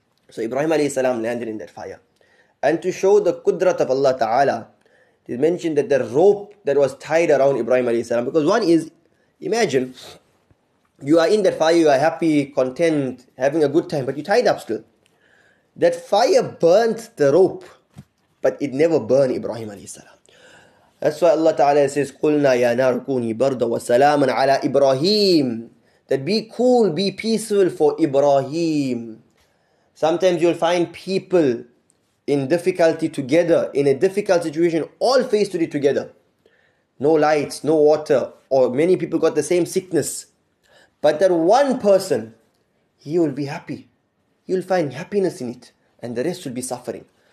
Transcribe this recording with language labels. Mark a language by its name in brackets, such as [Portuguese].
[English] So Ibrahim alayhi salam landed in that fire. And to show the Qudrat of Allah Ta'ala, it mentioned that the rope that was tied around Ibrahim alayhi salam, because one is, imagine, you are in that fire, you are happy, content, having a good time, but you're tied up still. That fire burnt the rope, but it never burned Ibrahim alayhi salam. That's why Allah Ta'ala says, [Arabic] قُلْنَا يَا نَارُ كُونِي بَرْدًا وَسَلَامًا عَلَىٰ إِبْرَاهِيمٍ. [English] That be cool, be peaceful for Ibrahim. Sometimes you'll find people in difficulty together, in a difficult situation, all faced with it together. No lights, no water, or many people got the same sickness. But that one person, he will be happy. He'll find happiness in it, and the rest will be suffering.